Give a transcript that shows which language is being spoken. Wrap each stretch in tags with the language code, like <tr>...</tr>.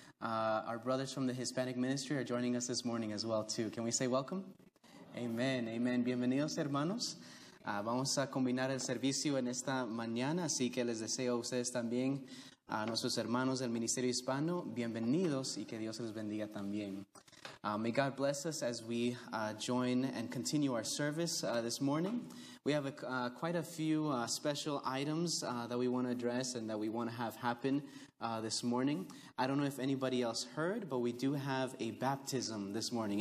<en>Our brothers from the Hispanic ministry are joining us this morning as well, too. Can we say welcome? Amen, amen.</en> <es>Bienvenidos, hermanos. Vamos a combinar el servicio en esta mañana, así que les deseo a ustedes también, a nuestros hermanos del Ministerio Hispano, bienvenidos y que Dios los bendiga también.</es> <en>May God bless us as we join and continue our service this morning. We have quite a few special items that we want to address and that we want to have happen this morning. I don't know if anybody else heard, but we do have a baptism this morning.</en>